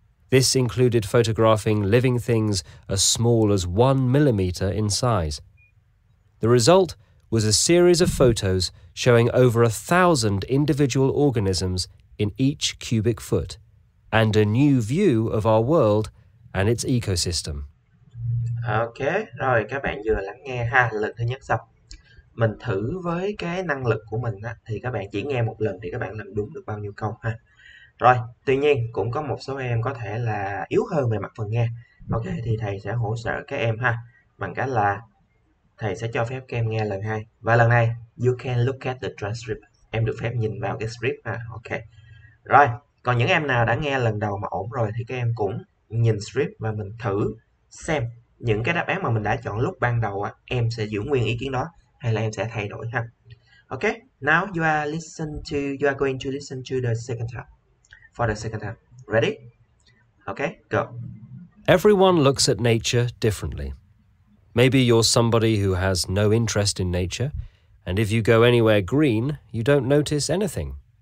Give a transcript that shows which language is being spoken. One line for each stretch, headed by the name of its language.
English: This included photographing living things as small as 1 millimeter in size. The result was a series of photos showing over 1,000 individual organisms in each cubic foot, and a new view of our world and its ecosystem.
Vietnamese: Ok, rồi các bạn vừa lắng nghe ha, lần thứ nhất xong. Mình thử với cái năng lực của mình á, thì các bạn chỉ nghe một lần thì các bạn làm đúng được bao nhiêu câu ha. Rồi, tuy nhiên cũng có một số em có thể là yếu hơn về mặt phần nghe. Ok, thì thầy sẽ hỗ trợ các em ha, bằng cách là thầy sẽ cho phép các em nghe lần hai. Và lần này, you can look at the transcript. Em được phép nhìn vào cái script ha, ok. Rồi, còn những em nào đã nghe lần đầu mà ổn rồi thì các em cũng nhìn script và mình thử xem những cái đáp án mà mình đã chọn lúc ban đầu á, em sẽ giữ nguyên ý kiến đó hay là em sẽ thay đổi ha.
English: Ok, now you are going to listen to the second time. For the second time. Ready? Ok, go. Everyone looks at nature differently. Maybe you're somebody who has no interest in nature, and if you go anywhere green, you don't notice anything.